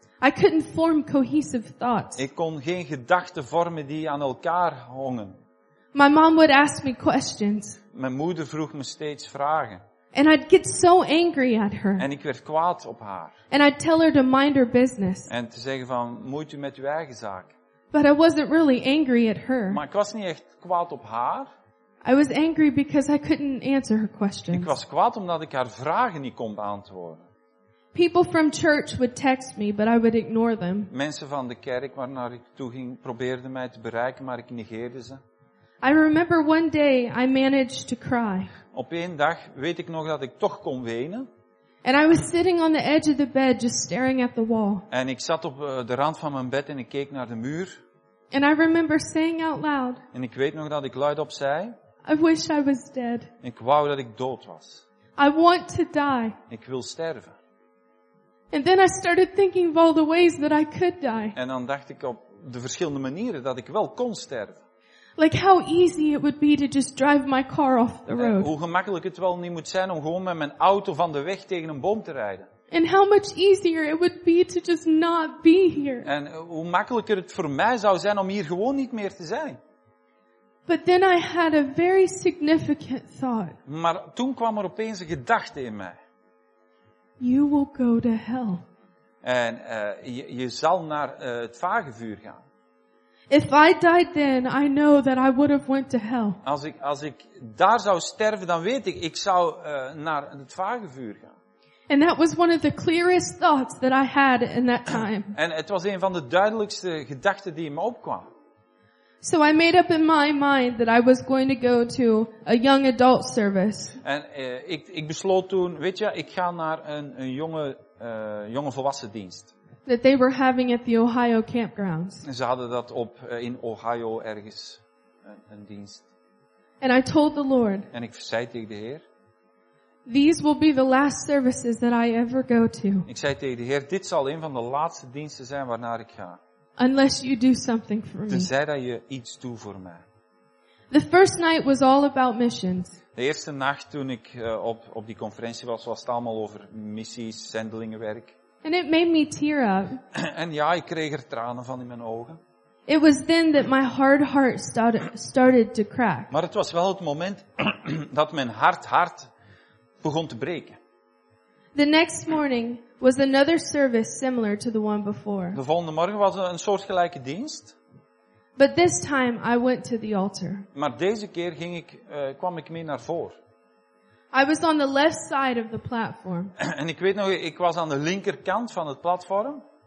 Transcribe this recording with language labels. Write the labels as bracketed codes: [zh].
[en] I couldn't form cohesive thoughts. [nl] Ik kon geen gedachten vormen die aan elkaar hongen. [en] My mom would ask me questions. [nl] Mijn moeder vroeg me steeds vragen. [en] And I'd get so angry at her. [nl] En ik werd kwaad op haar. [en] And I'd tell her to mind her business. [nl] En te zeggen van, moeit u met uw eigen zaak. [en] But I wasn't really angry at her. [nl] Maar ik was niet echt kwaad op haar. [en] I was angry because I couldn't answer her questions. [nl] Ik was kwaad omdat ik haar vragen niet kon beantwoorden. [en] People from church would text me, but I would ignore them. [nl] Mensen van de kerk waarnaar ik toe ging probeerden mij te bereiken, maar ik negeerde ze. [en] I remember one day I managed to cry. [nl] Op één dag weet ik nog dat ik toch kon wenen. [en] And I was sitting on the edge of the bed just staring at the wall. [nl] En ik zat op de rand van mijn bed en ik keek naar de muur. [en] And I remember saying out loud. [nl] En ik weet nog dat ik luidop zei. [en] I wish I was dead. [nl] Ik wou dat ik dood was. [en] I want to die. [nl] Ik wil sterven. [en] And then I started thinking of all the ways that I could die. [nl] En dan dacht ik op de verschillende manieren dat ik wel kon sterven. [en] Like how easy it would be to just drive my car off the road. [nl] Hoe gemakkelijk het wel niet moet zijn om gewoon met mijn auto van de weg tegen een boom te rijden. [en] And how much easier it would be to just not be here. [nl] En hoe makkelijker het voor mij zou zijn om hier gewoon niet meer te zijn. [en] But then I had a very significant thought. [nl] Maar toen kwam er opeens een gedachte in mij. [en] You will go to hell. [nl] En je zal naar het vagevuur gaan. [en] If I died then, I know that I would have went to hell. [nl] Als ik daar zou sterven, dan weet ik, ik zou naar het vagevuur gaan. [en] And that was one of the clearest thoughts that I had in that time. [nl] En het was een van de duidelijkste gedachten die in me opkwam. [en] So I made up in my mind that I was going to go to a young adult service. [nl] En ik besloot toen, weet je, ik ga naar een jonge volwassen dienst. [en] That they were having at the Ohio campgrounds. [nl] Ze hadden dat op in Ohio ergens een dienst. [en] And I told the Lord. [nl] En ik zei tegen de Heer. [en] These will be the last services that I ever go to. [nl] Ik zei tegen de Heer, dit zal een van de laatste diensten zijn waarnaar ik ga. [en] Unless you do something for me. [nl] Tenzij dat je iets doet voor mij. [en] The first night was all about missions. [nl] De eerste nacht toen ik op die conferentie was, was het allemaal over missies, zendelingenwerk. [en] And it made me tear up. [nl] En ja, ik kreeg er tranen van in mijn ogen. [en] It was then that my hard heart started to crack. [nl] Maar het was wel het moment dat mijn hart begon te breken. [en] The next morning was another service similar to the one before. [nl] De volgende morgen was een soortgelijke dienst. [en] But this time I went to the altar. [nl] Maar deze keer kwam ik mee naar voren. [en] I was on the left side of the platform. [nl] En ik weet nog, ik was aan de linkerkant van het platform.